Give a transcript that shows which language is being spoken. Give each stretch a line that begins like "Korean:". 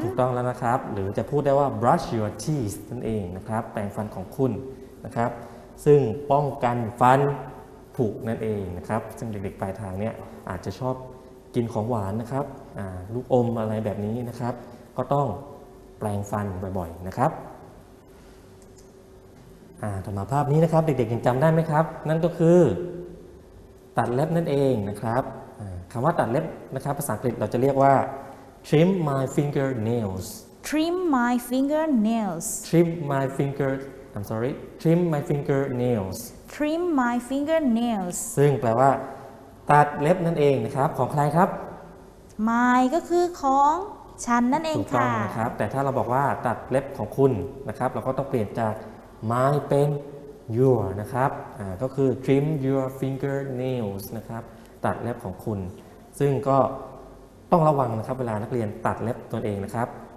Thai: ถูกต้องแล้วนะครับหรือจะพูดได้ว่า
English: brush your teeth
Thai: นั่นเองนะครับแปรงฟันของคุณนะครับซึ่งป้องกันฟันผุนั่นเองนะครับซึ่งเด็กๆปลายทางเนี่ยอาจจะชอบกินของหวานนะครับลูกอมอะไรแบบนี้นะครับก็ต้องแปรงฟันบ่อยๆนะครับ ต่อมาภาพนี้นะครับเด็กๆยังจำได้ไหมครับนั่นก็คือตัดเล็บนั่นเองนะครับคำว่าตัดเล็บนะครับภาษาอังกฤษเราจะเรียกว่า
English: trim my fingernails trim my fingernails trim my finger I'm sorry trim my fingernails trim my fingernails
Thai: ซึ่งแปลว่าตัดเล็บนั่นเองนะครับของใครครับ My ก็คือของฉันนั่นเองค่ะ ถูกต้องนะครับแต่ถ้าเราบอกว่าตัดเล็บของคุณนะครับเราก็ต้องเปลี่ยนจาก My เป็น your นะครับก็คือ
English: trim your fingernails
Thai: นะครับตัดเล็บของคุณซึ่งก็ต้องระวังนะครับเวลานักเรียนตัดเล็บตนเองนะครับ